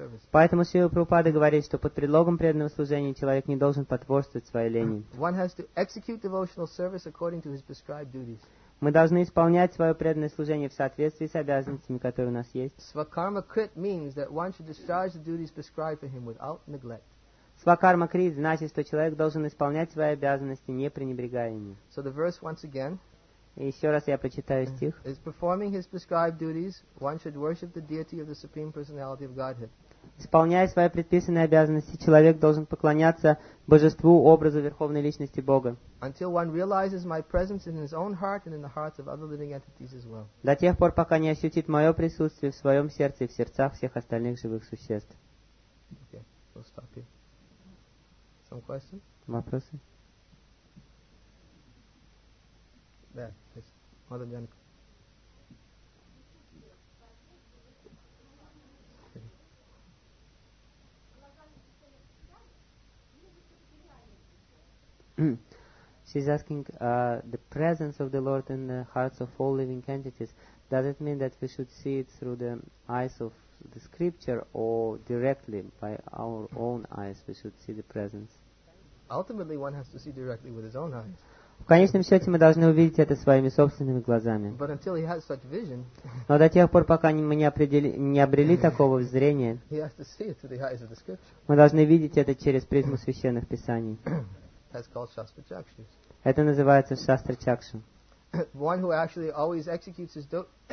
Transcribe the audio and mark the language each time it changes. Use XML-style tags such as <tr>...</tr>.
<ru>Поэтому Шрила Прабхупада говорит, что под предлогом преданного служения человек не должен потворствовать своей лени.</ru> <en>One has to execute devotional service according to his prescribed duties.</en> <ru>Мы должны исполнять свое преданное служение в соответствии с обязанностями, которые у нас есть.</ru> <en>Svakarma krit means that one should discharge the duties prescribed for him without neglect.</en> <ru>Svakarma krit значит, что человек должен исполнять свои обязанности, не пренебрегая ими.</ru> <en>So the verse once again.</en> <ru>Еще раз я прочитаю стих.</ru> <en>Is performing his prescribed duties, one should worship the deity of the Supreme Personality of Godhead.</en> <ru>Исполняя свои предписанные обязанности, человек должен поклоняться Божеству, образу Верховной Личности Бога.</ru> <en>Until one realizes my presence in his own heart and in the hearts of other living entities as well.</en> <ru>До тех пор, пока не ощутит мое присутствие в своем сердце и в сердцах всех остальных живых существ.</ru> <en>Okay, we'll stop here. Some questions?</en> <ru>Вопросы? Да,</ru> <en>yes.</en> <ru>Мадам Джанка.</ru> <en>She's asking, the presence of the Lord in the hearts of all living entities, does it mean that we should see it through the eyes of the scripture or directly by our own eyes we should see the presence? Ultimately, one has to see directly with his own eyes.</en> <ru>В конечном счете, мы должны увидеть это своими собственными глазами.</ru> <en>But until he has such vision,</en> <ru>но до тех пор, пока мы не обрели такого зрения,</ru> <en>he has to see it through the eyes of the scripture.</en> <ru>Мы должны видеть это через призму священных писаний.</ru> <en>That's called Shastra Chakshus.</en> <ru>Это называется Shastra Chakshu.</ru> <en>One who actually always executes his duty.</en>